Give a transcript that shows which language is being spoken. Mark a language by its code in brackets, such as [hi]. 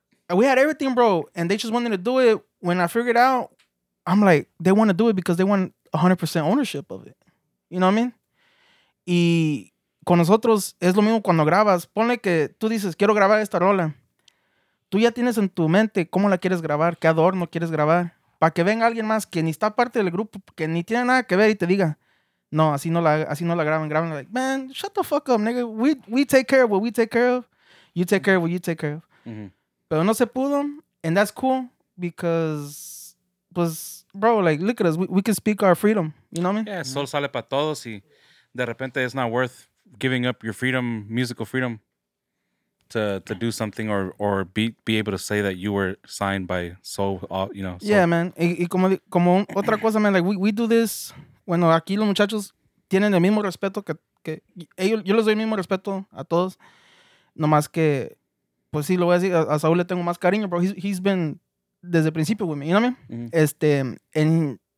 [en] We had everything, bro, and they just wanted to do it. When I figured out, I'm like, they want to do it because they want 100% ownership of it. You know what I mean? Y... [es] con nosotros es lo mismo cuando grabas. Ponle que tú dices, quiero grabar esta rola. Tú ya tienes en tu mente cómo la quieres grabar, qué adorno quieres grabar. Para que venga alguien más que ni está parte del grupo, que ni tiene nada que ver y te diga, no, así no la graban. Graban [en] like, man, shut the fuck up, nigga. We take care of what we take care of. You take care of what you take care of. Mm-hmm. [es] Pero no se pudo. [en] And that's cool because, pues, bro, like, look at us. We can speak our freedom. You know what I mean? Yeah, [es] sol sale para todos y de repente [en] it's not worth giving up your freedom, musical freedom, to do something or be able to say that you were signed by Soul, you know. Soul. Yeah, man. [es] Y como otra cosa, [en] man, like, we do this. [es] Bueno, aquí los muchachos tienen el mismo respeto que ellos. Yo les doy el mismo respeto a todos. Nomás que, pues sí, lo voy a decir, a Saúl le tengo más cariño, bro. [en] He's been [es] desde el principio [en] with me, you know what I mean? Mm-hmm.